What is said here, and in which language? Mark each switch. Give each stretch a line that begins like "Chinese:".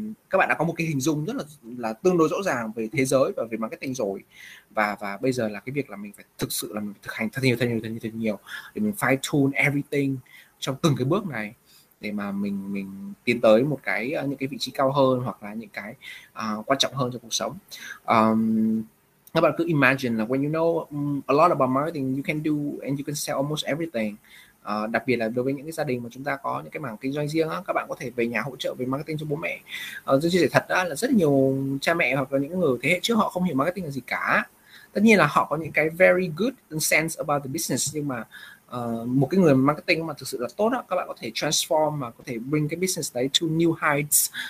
Vietnamese: Các bạn đã có một cái hình dung rất là tương đối rõ ràng về thế giới và về marketing rồi, và bây giờ là cái việc là mình phải thực sự là mình phải thực hành thật nhiều để mình
English: fine tune everything
Vietnamese: trong từng cái bước này, để mà mình tiến tới một cái những cái vị trí cao hơn hoặc là những cái quan trọng hơn trong cuộc sống. Các bạn cứ
English: imagine là when you know a lot about marketing, you can do and you can sell almost everything.
Vietnamese: Đặc biệt là đối với những cái gia đình mà chúng ta có những cái mảng kinh doanh riêng á, các bạn có thể về nhà hỗ trợ về marketing cho bố mẹ. Tôi chia sẻ thật đó là rất nhiều cha mẹ hoặc là những người thế hệ trước họ không hiểu marketing là gì cả. Tất nhiên là họ có những cái
English: very good sense about the business,
Vietnamese: nhưng mà một cái người marketing mà thực sự là tốt đó, các bạn có thể transform và có thể bring cái business đấy
English: to new heights.